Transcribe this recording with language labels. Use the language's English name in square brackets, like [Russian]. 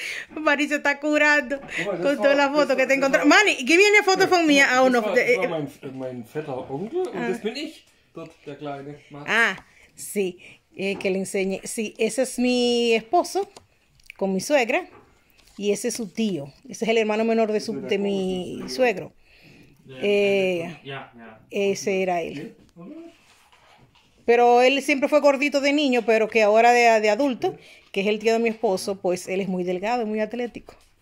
[Spanish] Mari se está curando con todas las fotos que te encontró. Mani, ¿qué viene foto [German] von mir? [Spanish] Ah, uno. [German] Das war mein Vetter Onkel und das bin ich, dort der kleine Mann. [Spanish] Ah, sí, que le enseñe. Sí, ese es mi esposo con mi suegra y ese es su tío. Ese es el hermano menor de su de mi suegro. Ese era él. Pero él siempre fue gordito de niño, pero que ahora de adulto, que es el tío de mi esposo, pues él es muy delgado, muy atlético.